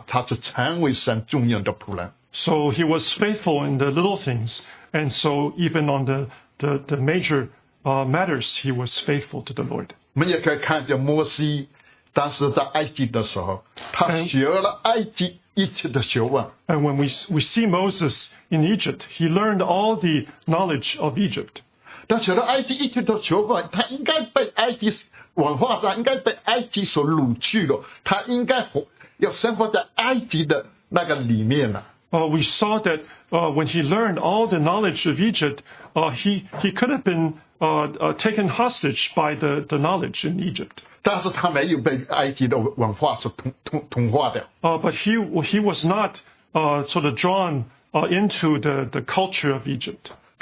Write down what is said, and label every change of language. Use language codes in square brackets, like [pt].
[zh] 所以后来，因为在小事上忠心，在大事上，他就成为神重用的仆人。 [en] So he was faithful in the little things, and so even on the major matters, he was faithful to the Lord. [zh] 我们也可以看见摩西。当时在埃及的时候，他学了埃及一切的学问。 [en] And when we see Moses in Egypt, he learned all the knowledge of Egypt. [zh] 他学了埃及一切的学问，他应该被埃及文化上应该被埃及所掳去了，他应该要生活在埃及的那个里面了。 [en] We saw that when he learned all the knowledge of Egypt, he could have been taken hostage by the knowledge in Egypt. [zh] 但是他没有被埃及的文化所同化掉。 [en] But he was not sort of drawn into the culture of Egypt.